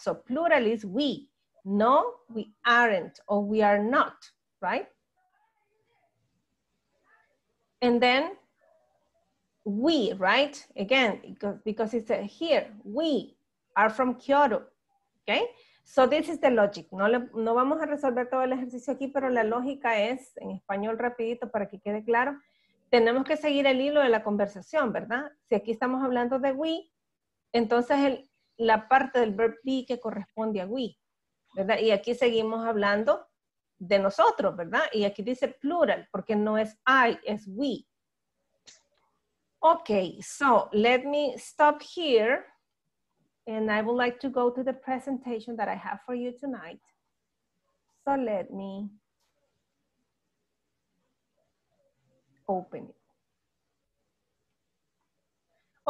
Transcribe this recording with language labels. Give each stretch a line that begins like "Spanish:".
English: So plural is we. No, we aren't or we are not, right? And then we, right? Again, because it's here, we are from Kyoto, okay? So this is the logic.
Spanish: No vamos a resolver todo el ejercicio aquí, pero la lógica es, en español rapidito para que quede claro, tenemos que seguir el hilo de la conversación, ¿verdad? Si aquí estamos hablando de we, entonces la parte del verb be que corresponde a we, ¿verdad? Y aquí seguimos hablando de nosotros, ¿verdad? Y aquí dice plural, porque no es I, es we.
English: Okay, so let me stop here. And I would like to go to the presentation that I have for you tonight. So let me open it.